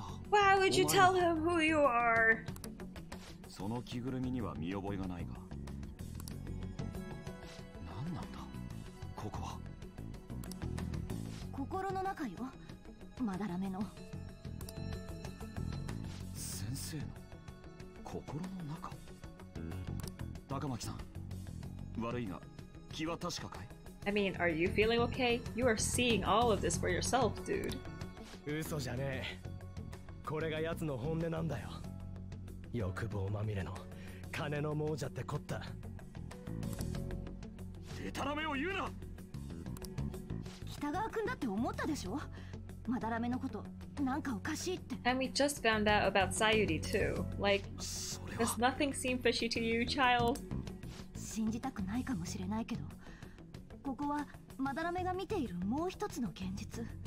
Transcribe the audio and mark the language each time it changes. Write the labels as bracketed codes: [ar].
[en] Why would you tell him who you are? [ja] その着ぐるみには見覚えがないが。何なんだ、ここは。心の中よ、まだらめの。先生の心の中。高巻さん、悪いが、気は確かかい。 [en] I mean, are you feeling okay? You are seeing all of this for yourself, dude. [ja] 嘘じゃねえ。これが奴の本音なんだよ。欲望まみれの金の亡者ってこった。デタラメを言うな。北川君だって思ったでしょ。まだらめのことなんかおかしいって。 [en] And we just found out about Sayuri too. Like, does nothing seem fishy to you, child? [ja] 信じたくないかもしれないけど、ここはまだらめが見ているもう一つの現実。